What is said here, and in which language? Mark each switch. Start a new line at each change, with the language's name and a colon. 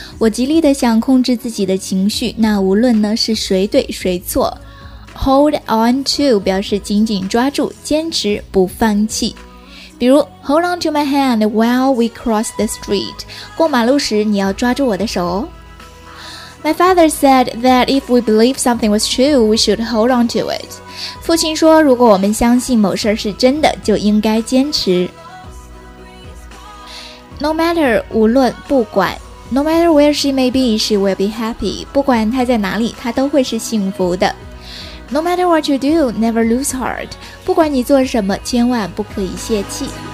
Chinese: 我极力的想控制自己的情绪，那无论呢是谁对谁错。 Hold on to 表示紧紧抓住，坚持不放弃。比如
English: ,Hold on to my hand while we cross the street.
Chinese: 过马路时你要抓住我的手哦。
English: My father said that if we believe something was true, we should hold on to it.
Chinese: 父亲说如果我们相信某事是真的，就应该坚持。No matter, 无论不管。
English: No matter where she may be, she will be happy.
Chinese: 不管她在哪里，她都会是幸福的。
English: No matter what you do, never lose heart.
Chinese: 不管你做什么，千万不可以泄气。